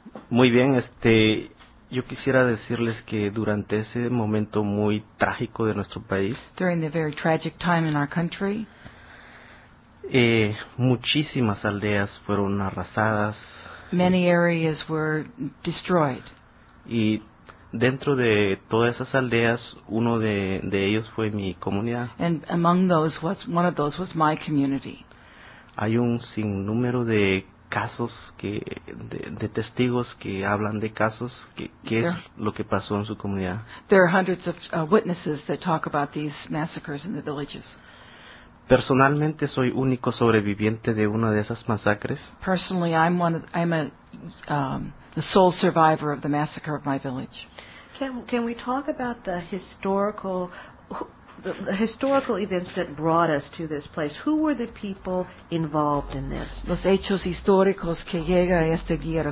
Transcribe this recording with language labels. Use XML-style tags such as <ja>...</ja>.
<es>Muy bien, yo quisiera decirles que durante ese momento muy trágico de nuestro país,</es> <en>during the very tragic time in our country,</en> <es>muchísimas aldeas fueron arrasadas.</es> <en>Many areas were destroyed.</en> <es>Y dentro de todas esas aldeas, uno de ellos fue mi comunidad.</es> <en>And among those, one of those was my community.</en> <es>Hay un sinnúmero de casos de testigos que hablan de casos que es lo que pasó en su comunidad.</es> <en>There are hundreds of witnesses that talk about these massacres in the villages.</en> <es>Personalmente, soy único sobreviviente de una de esas masacres.</es> <en>Personally, the sole survivor of the massacre of my village. Can we talk about the historical events that brought us to this place? Who were the people involved in this?</en> <es>Los hechos históricos que llega a esta guerra.</es>